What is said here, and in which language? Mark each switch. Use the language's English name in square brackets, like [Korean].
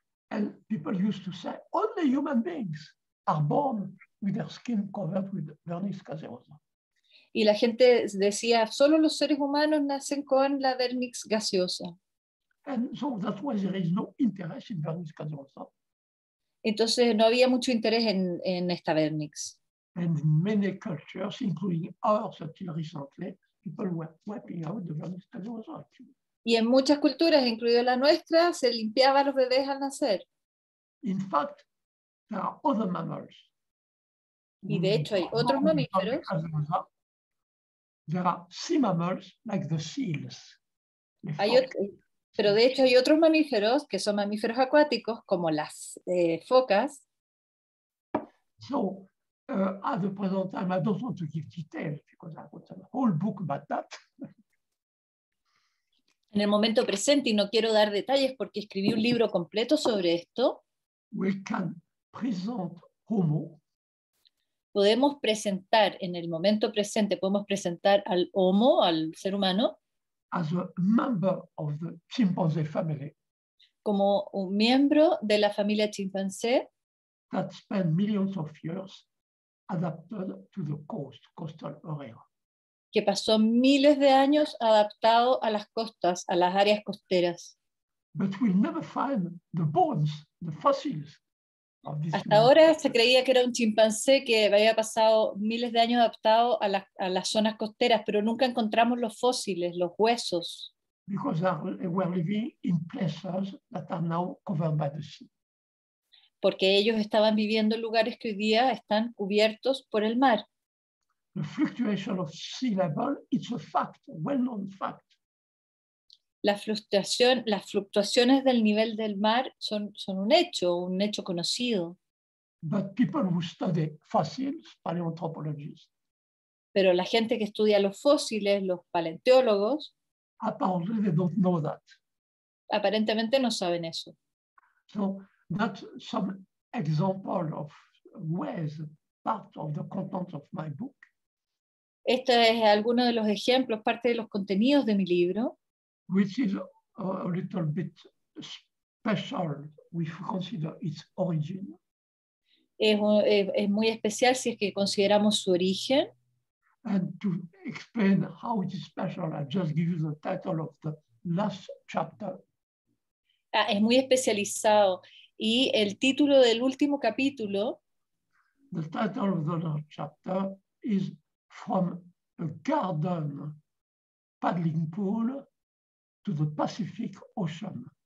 [English] And people used to say only human beings are born with their skin covered with vernix caserosa. [Spanish] Y la gente decía, solo los seres humanos nacen con la vernix gaseosa. [English] And so that was, there is no interest in vernix caseosa. [Spanish] Entonces no había mucho interés en esta vernix. [English] And in many cultures, including ours until recently, people were wiping out the vernix caseosa. [Spanish] Y en muchas culturas, incluido la nuestra, se limpiaba a los bebés al nacer. [English] In fact, there are other mammals. [Spanish] Y de hecho hay otros mamíferos. [English] There are sea mammals like the seals. [Spanish] Pero de hecho hay otros mamíferos que son mamíferos acuáticos como las focas. [English] So, at the present time, I don't want to give details because I wrote a whole book about that. [Spanish] En el momento presente, y no quiero dar detalles porque escribí un libro completo sobre esto. [English] We can present Homo. [Spanish] Podemos presentar en el momento presente, podemos presentar al Homo, al ser humano, [English] as a member of the chimpanzee family, [Spanish] como un miembro de la familia chimpancé, [English] that spent millions of years adapted to the coastal area, [Spanish] que pasó miles de años adaptado a las costas, a las áreas costeras. [English] But we'll never find the bones, the fossils. [Spanish] Hasta ahora se creía que era un chimpancé que había pasado miles de años adaptado a las zonas costeras, pero nunca encontramos los fósiles, los huesos. Porque ellos estaban viviendo en lugares que hoy día están cubiertos por el mar. [English] The fluctuation of sea level, it's a fact, a well-known fact. [Spanish] Las fluctuaciones del nivel del mar son un hecho conocido. [English] But people who study fossils, paleontologists, [Spanish] pero la gente que estudia los fósiles, los paleontólogos, [English] apparently they don't know that. [Spanish] Aparentemente no saben eso. [English] So that's some example of ways, part of the content of my book. [Spanish] Este es alguno de los ejemplos, parte de los contenidos de mi libro. [English] Which is a little bit special if we consider its origin. [Spanish] Es muy especial si es que consideramos su origen. [English] And to explain how it is special, I just give you the title of the last chapter. [Spanish] Es muy especializado. Y el título del último capítulo. [English] The title of the last chapter is From a Garden Paddling Pool to the Pacific Ocean.